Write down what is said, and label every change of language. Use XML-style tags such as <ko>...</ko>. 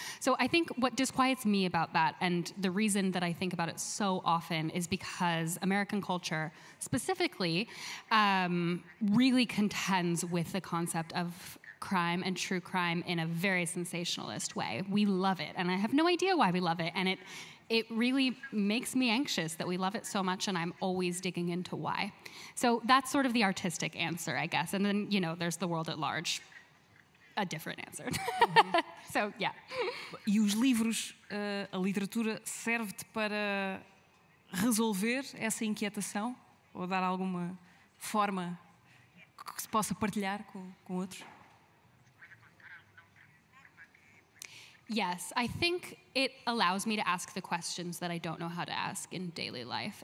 <en>So I think what disquiets me about that, and the reason that I think about it so often, is because American culture specifically really contends with the concept of crime and true crime in a very sensationalist way. We love it, and I have no idea why we love it, and it it really makes me anxious that we love it so much and I'm always digging into why. So that's sort of the artistic answer, I guess. And then, you know, there's the world at large. A different answer. Mm-hmm. So, yeah.</en> <pt>E os livros, a literatura serve-te para resolver essa inquietação ou dar alguma forma que se possa partilhar com outros?</pt> <en>Yes, I think it allows me to ask the questions that I don't know how to ask in daily life.</en>